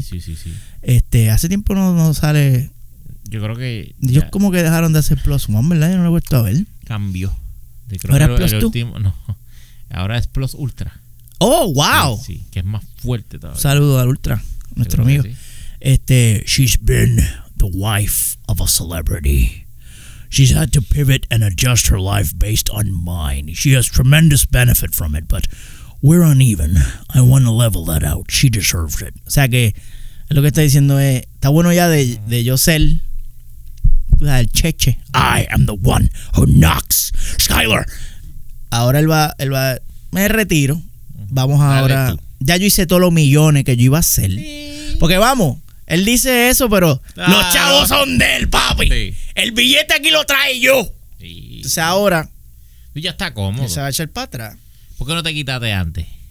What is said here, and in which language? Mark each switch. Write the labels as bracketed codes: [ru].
[es] Sí, sí, sí. Hace tiempo no sale. Yo creo que ellos como que dejaron de hacer Plus One, ¿verdad? Yo no lo he vuelto a ver. Cambió. ¿Ahora es Plus 2? Último, no. Ahora es Plus Ultra. ¡Oh, wow! Sí, que es más fuerte todavía. Saludo al Ultra, nuestro amigo. Sí. [en] She's been the wife of a celebrity. She's had to pivot and adjust her life based on mine. She has tremendous benefit from it, but we're uneven. I want to level that out. She deserves it. [es] O sea que lo que está diciendo es, está bueno ya de yo ser el cheche. [en] I am the one who knocks, Skyler. [es] Ahora él va, me retiro. Vamos ahora. Ya yo hice todos los millones que yo iba a hacer. Porque vamos, él dice eso, pero los chavos son de él, papi. Sí. El billete aquí lo trae yo. Sí. Entonces ahora. Y ya está cómodo. Se va a echar para atrás. ¿Por qué no te quitaste antes?